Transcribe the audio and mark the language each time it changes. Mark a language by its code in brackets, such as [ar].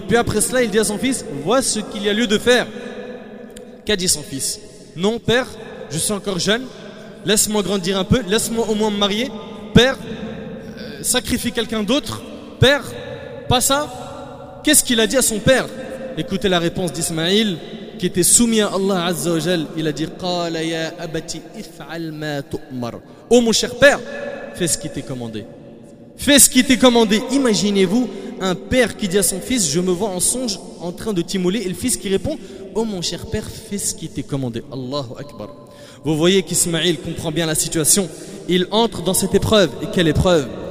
[fr] Puis après cela, il dit à son fils, vois ce qu'il y a lieu de faire. Qu'a dit son fils? Non, père, je suis encore jeune. Laisse-moi grandir un peu. Laisse-moi au moins me marier. Père, sacrifie quelqu'un d'autre. Père, pas ça. Qu'est-ce qu'il a dit à son père? Écoutez la réponse d'Ismaïl, qui était soumis à Allah Azza wa Jal. Il a dit, [ar] قَالَ يَا أَبَتِي إِفْعَلْ مَا تُؤْمَرْ. [fr] Oh mon cher père, fais ce qui t'est commandé. Fais ce qui t'est commandé. Imaginez-vous un père qui dit à son fils, je me vois en songe en train de t'immoler. Et le fils qui répond, oh mon cher père, fais ce qui t'est commandé. Allahu Akbar. Vous voyez qu'Ismaïl comprend bien la situation. Il entre dans cette épreuve. Et quelle épreuve?